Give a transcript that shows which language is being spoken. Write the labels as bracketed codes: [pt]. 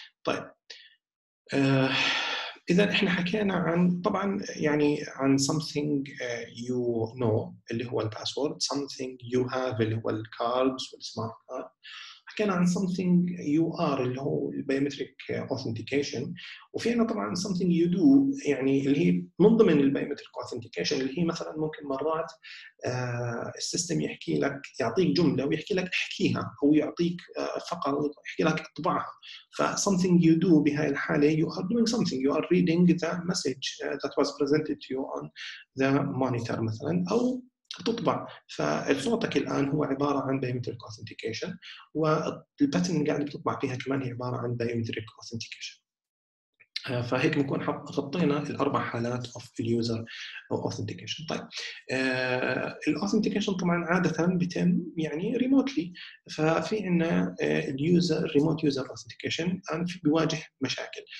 [ar] طيب إذا إحنا حكينا عن طبعا يعني عن [en] something you know [ar] اللي هو الباسورد، [en] something you have [ar] اللي هو الكاردز والسمارت كارد، حكينا عن [en] something you are [ar] اللي هو البيومتريك authentication، وفي عنا طبعا [en] something you do [ar] يعني اللي هي من ضمن البيومتريك authentication اللي هي مثلا ممكن مرات السيستم يحكي لك، يعطيك جملة ويحكي لك احكيها، أو يعطيك فقرة ويحكي لك اطبعها. [en] ف something you do [ar] بهاي الحالة [en] you are doing something, you are reading the message that was presented to you on the monitor [ar] مثلا، أو تطبع. فصورتك الآن هو عبارة عن biometric authentication، والباتن اللي قاعد بتطبع فيها كمان هي عبارة عن biometric authentication. فهيك بنكون غطينا الأربع حالات [en] of user authentication. [ar] طيب الauthentication طبعا عادة بتم يعني remotely، ففي عنا [en] user remote user authentication [ar] بيواجه مشاكل.